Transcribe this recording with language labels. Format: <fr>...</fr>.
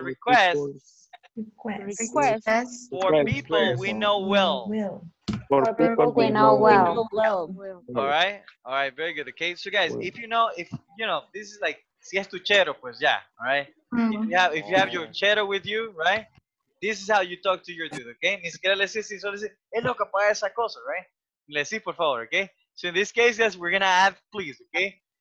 <en>Requests. For people we know well. All right. All right. Very good. Okay. So, guys, if you know, this is like,</en> <es>si es tu chero, pues ya.</es> <en>All right. Mm-hmm. If you have your chero with you, right? This is how you talk to your dude, okay?</en> <es>Ni siquiera le decís, solo decís, es lo que paga esa cosa, right? Le decís, por favor, okay?</es> <en>So, in this case, yes, we're going to add please, okay?</en>